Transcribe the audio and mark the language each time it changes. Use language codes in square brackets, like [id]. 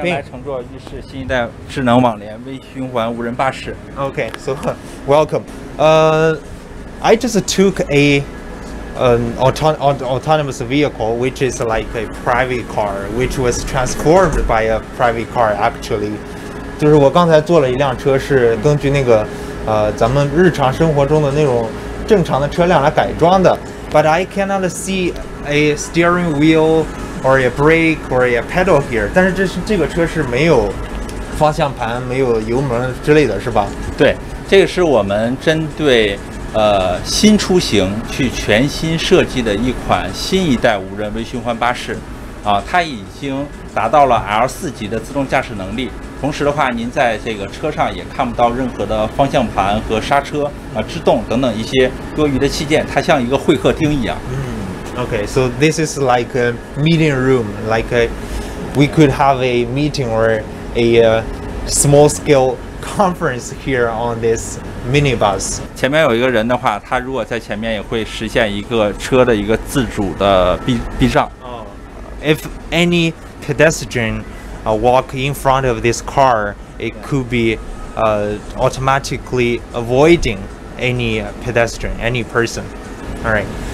[zh] 欢迎来乘坐浴室新一代智能网联微循环无人巴士。 [en] Okay, so welcome. I just took an autonomous vehicle, which is like a private car, which was transformed by a private car, actually. [zh] 就是我刚才坐了一辆车，是根据那个咱们日常生活中的那种正常的车辆来改装的。 [en] But I cannot see a steering wheel or a brake or a pedal here. [zh] 但是这个车是没有方向盘、没有油门之类的是吧？对，这个是我们针对新出行去全新设计的一款新一代无人微循环巴士。啊，它已经达到了 L4 级的自动驾驶能力。同时的话，您在这个车上也看不到任何的方向盘和刹车啊、制动等等一些多余的器件，它像一个会客厅一样。 [en] 嗯 ，OK， so this is like a meeting room, like a, we could have a meeting or a small scale conference here on this minibus. [zh] 前面有一个人的话，他如果在前面也会实现一个车的一个自主的避障。 [en] If any pedestrian walk in front of this car, it could be automatically avoiding any pedestrian, any person. All right.